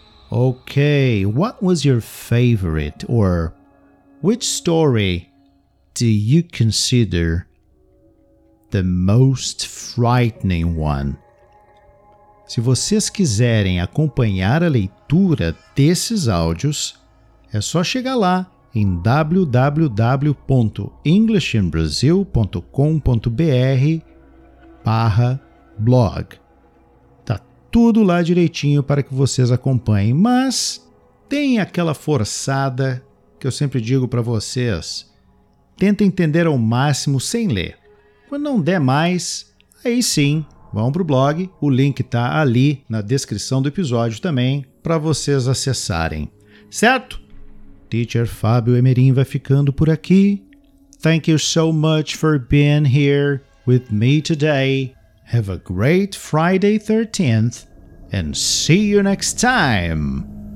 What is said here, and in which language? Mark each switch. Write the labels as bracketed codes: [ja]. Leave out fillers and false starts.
[en] Okay, what was your favorite, or which story do you consider the most frightening one? [pt] Se vocês quiserem acompanhar a leitura desses áudios, é só chegar lá em www.englishinbrasil.com.br/blog. Tá tudo lá direitinho para que vocês acompanhem, mas tem aquela forçada que eu sempre digo para vocês. Tenta entender ao máximo sem ler. Quando não der mais, aí sim, vão para o blog, o link está ali na descrição do episódio também, para vocês acessarem. Certo? Teacher Fábio Emerim vai ficando por aqui. [en] Thank you so much for being here with me today. Have a great Friday 13th and see you next time!